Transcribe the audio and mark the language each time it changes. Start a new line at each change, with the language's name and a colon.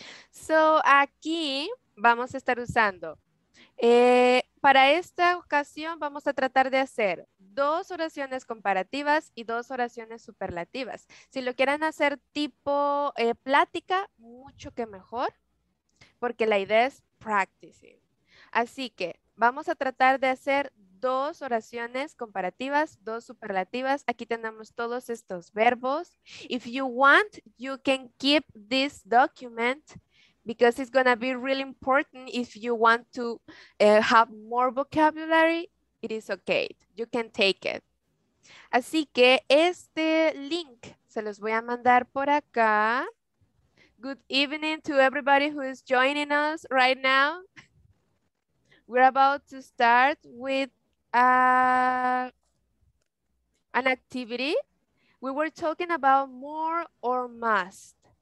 Spanish: So, aquí vamos a estar usando. Para esta ocasión vamos a tratar de hacer dos oraciones comparativas y dos oraciones superlativas. Si lo quieren hacer tipo plática, mucho que mejor, porque la idea es practicing. Así que vamos a tratar de hacer dos oraciones comparativas, dos superlativas. Aquí tenemos todos estos verbos.
English: If you want, you can keep this document because it's going to be really important if you want to have more vocabulary. It is okay. You can take it.
Spanish: Así que este link se los voy a mandar por acá.
English: Good evening to everybody who is joining us right now. We're about to start with an activity. We were talking about more or must.